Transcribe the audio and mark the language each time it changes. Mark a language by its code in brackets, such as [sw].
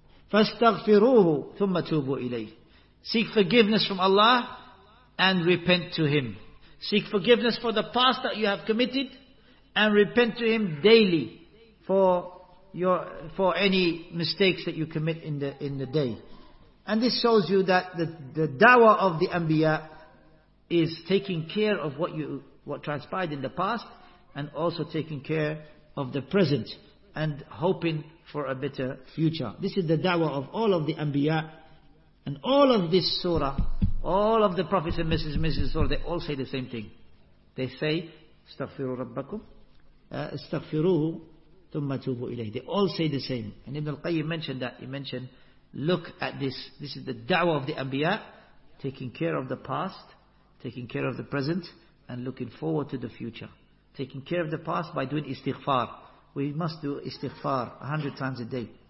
[ar] فاستغفروه ثم توبوا إليه. [en] Seek forgiveness from Allah and repent to him. Seek forgiveness for the past that you have committed and repent to him daily for any mistakes that you commit in the day. And this shows you that the dawah of the Anbiya is taking care of what transpired in the past and also taking care of the present and hoping for a better future. This is the dawah of all of the Anbiya. And all of this surah, all of the prophets and messengers, surah, they all say the same thing. They say, [ar] استغفروا ربكم استغفروه ثم توبوا إليه. [en] They all say the same. And Ibn al-Qayyim mentioned that. He mentioned, look at this. This is the da'wah of the Anbiya, taking care of the past, taking care of the present, and looking forward to the future. Taking care of the past by doing istighfar. We must do istighfar 100 times a day.